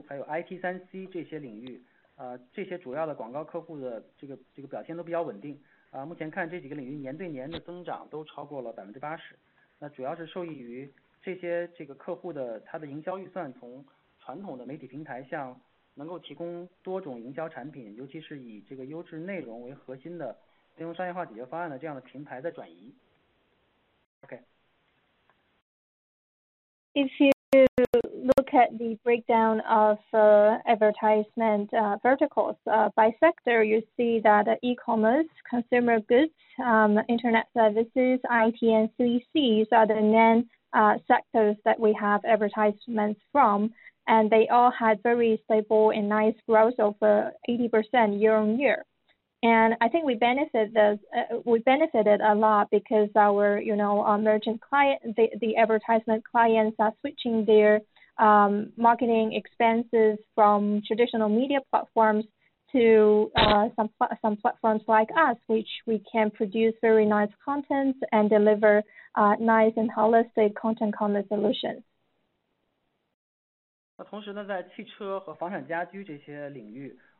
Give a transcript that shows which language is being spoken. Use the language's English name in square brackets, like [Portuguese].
[Chinese] 从分领域来看呢，电商、这个快消、网服还有IT3C这些领域。这些主要的广告客户的这个表现都比较稳定，目前看这几个领域年对年的增长都超过了 80%， 那主要是受益于这些客户的他的营销预算从传统的媒体平台向能够提供多种营销产品，尤其是以这个优质内容为核心的内容商业化解决方案的这样的平台在转移。OK。 [English] If you look at the breakdown of advertisement verticals by sector, you see that e-commerce, consumer goods, internet services, IT and CCs are the main sectors that we have advertisements from. and they all had very stable and nice growth of 80% year on year. And I think we benefited a lot because our, you know, our merchant client, the advertisement clients are switching their marketing expenses from traditional media platforms to some platforms like us, which we can produce very nice content and deliver nice and holistic content commerce solutions. [Chinese] 那同时呢，在汽车和房产家居这些领域。